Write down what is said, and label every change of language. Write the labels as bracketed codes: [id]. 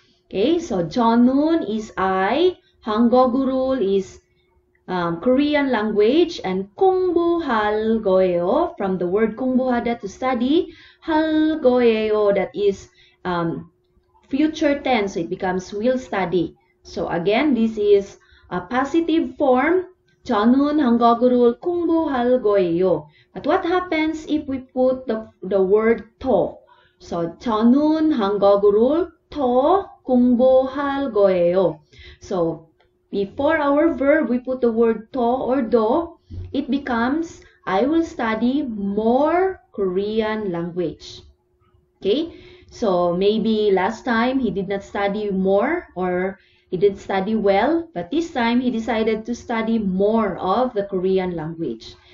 [en] Okay, so 저는 is I, 한국어를 is Korean language, and 공부할 거예요, from the word 공부하다, to study, 할 거예요, that is future tense, so it becomes will study. So again, this is a positive form. [ko] 저는 한국어를 공부할 거예요. [en] But what happens if we put the word 더? So [ko] 저는 한국어를 더 공부할 거예요. [en] So before our verb, we put the word 더 or 더. It becomes I will study more Korean language. Okay? So maybe last time he did not study more or he did study well, but this time he decided to study more of the Korean language.